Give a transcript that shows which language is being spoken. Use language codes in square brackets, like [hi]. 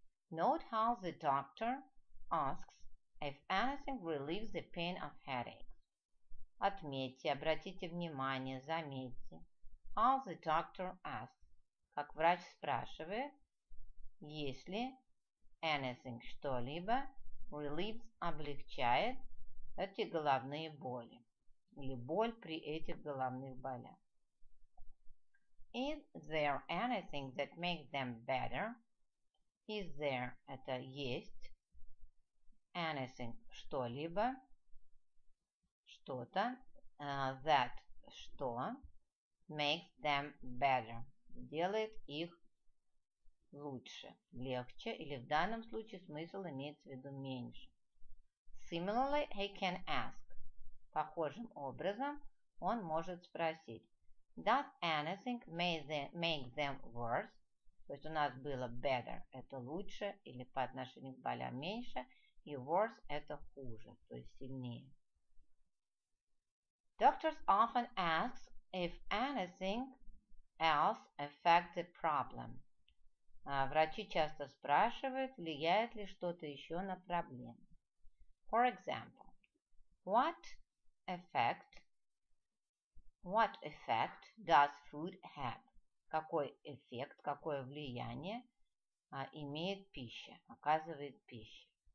[en] Note how the doctor asks if anything relieves the pain of headaches. [ru] Отметьте, обратите внимание, заметьте. [en] How the doctor asks. [ru] Как врач спрашивает, есть ли anything, что-либо, relieves, облегчает эти головные боли. Или боль при этих головных болях. [en] Is there anything that makes them better? Is there, [ru] это есть, anything, что-либо, что-то, that, что, [en] makes them better, [ru] делает их лучше, легче, или в данном случае смысл имеется в виду меньше. [en] Similarly, he can ask. [ru] Похожим образом он может спросить. [en] Does anything make them worse? [ru] То есть у нас было better, это лучше, или по отношению к болям меньше, и worse это хуже, то есть сильнее. [en] Doctors often ask if anything else affects the problem. [ru] Врачи часто спрашивают, влияет ли что-то еще на проблему. [en] For example, What effect does food have? [ru] Какой эффект, какое влияние имеет пища, оказывает пища?